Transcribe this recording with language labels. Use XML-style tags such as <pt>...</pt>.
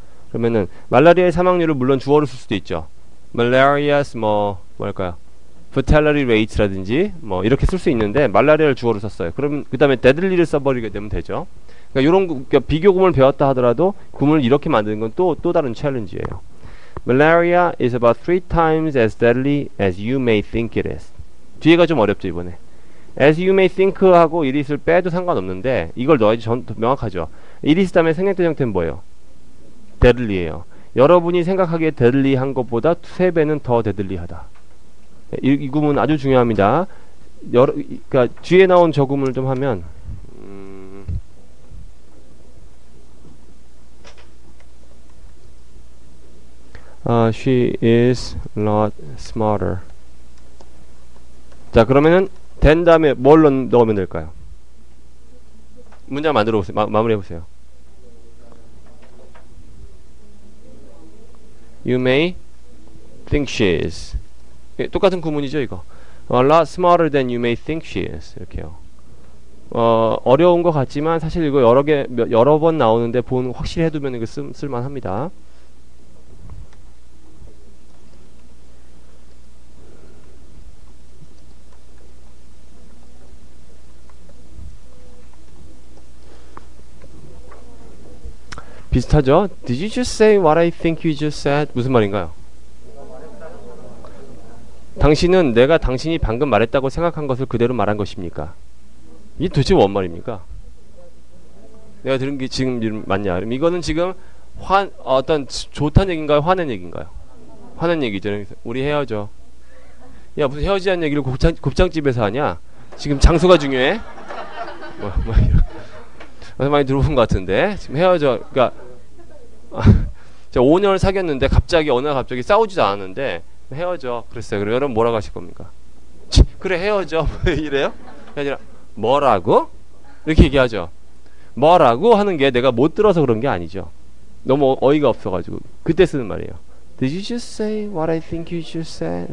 <ko>그러면은 말라리아의 사망률을 물론 주어로 쓸 수도 있죠. Malaria's 뭐랄까요?</ko> <en>Fatality rate라든지</en> <ko>뭐 이렇게 쓸수 있는데 말라리아를 주어로 썼어요. 그럼 그 다음에 deadly를 써버리게 되면 되죠. 그러니까 이런 그러니까 비교 구문을 배웠다 하더라도 구문을 이렇게 만드는 건또 다른 챌린지예요.</ko> <en>Malaria is about three times as deadly as you may think it is.</en> <ko>뒤에가 좀 어렵죠, 이번에.</ko> <en>As you may think</en> <ko>하고</ko> <en>it is</en> <ko>를 빼도 상관없는데 이걸 넣어야지 명확하죠.</ko> <en>It is</en> <ko>다음에 생략된 형태는 뭐예요? Deadly예요. 여러분이 생각하기에 deadly한 것보다 세 배는 더 deadly하다. 이 구문 아주 중요합니다. 그러니까 뒤에 나온 저 구문을 좀 하면</ko> <en>she is not smarter.</en> <ko>자, 그러면은 된 다음에 뭘 넣으면 될까요? 문장 만들어 보세요. 마무리해 보세요.</ko> <en>You may think she is.</en> <ko>예, 똑같은 구문이죠, 이거.</ko> <en>A lot smarter than you may think she is.</en> <ko>이렇게요. 어려운 것 같지만 사실 이거 여러 번 나오는데 본 확실히 해두면 이거 쓸만합니다. 비슷하죠?</ko> <en>Did you just say what I think you just said?</en> <ko>무슨 말인가요? 당신은 내가 당신이 방금 말했다고 생각한 것을 그대로 말한 것입니까? 이게 도대체 뭔 말입니까? 내가 들은 게 지금 맞냐? 그럼 이거는 지금 어떤 좋다는 얘기인가요? 화낸 얘기인가요? 화낸 얘기죠. 우리 헤어져. 야, 무슨 헤어지자는 얘기를 곱창집에서 하냐? 지금 장소가 중요해? 뭐 이런. 많이 들어본 것 같은데 지금 헤어져. 그러니까 제가 5년을 사귀었는데 갑자기 어느 날 갑자기 싸우지도 않았는데 헤어져 그랬어요. 그럼 여러분 뭐라고 하실 겁니까? 그래 헤어져 이래요? 아니라 뭐라고? 이렇게 얘기하죠. 뭐라고 하는 게 내가 못 들어서 그런 게 아니죠. 너무 어이가 없어가지고 그때 쓰는 말이에요.</ko> <en>Did you just say what I think you just said?</en>